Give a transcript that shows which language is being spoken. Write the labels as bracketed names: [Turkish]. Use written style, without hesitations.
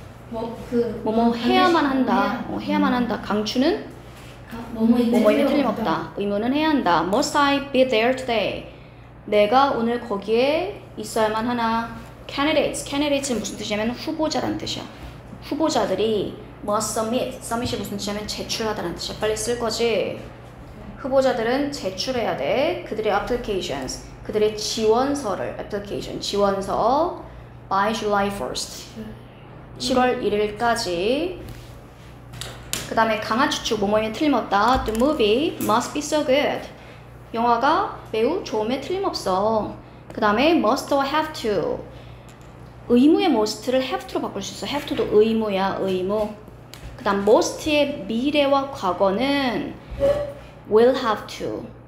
[Korean] 뭐뭐 해야만 한다. 해야만 한다. 강추는 뭐뭐에 틀림없다. 의무는 해야 한다. [English] Must I be there today? [Korean] 내가 오늘 거기에 있어야만 하나. [English] Candidates. [Korean] Candidates는 무슨 뜻이냐면 후보자란 뜻이야. 후보자들이 [English] must submit. [Korean] Submit이 무슨 뜻이냐면 제출하다란 뜻이야. 빨리 쓸 거지. 후보자들은 제출해야 돼. 그들의 applications. 그들의 지원서를. Application. 지원서. [English] By July 1st. [Korean] 7월 1일까지. 그 다음에 강한 추측. 뭐뭐에 틀림없다. [English] The movie must be so good. [Korean] 영화가 매우 좋음에 틀림없어. 그 다음에 must or have to. 의무의 must를 have to로 바꿀 수 있어. have to도 의무야, 의무. 그 다음 must의 미래와 과거는 will have to.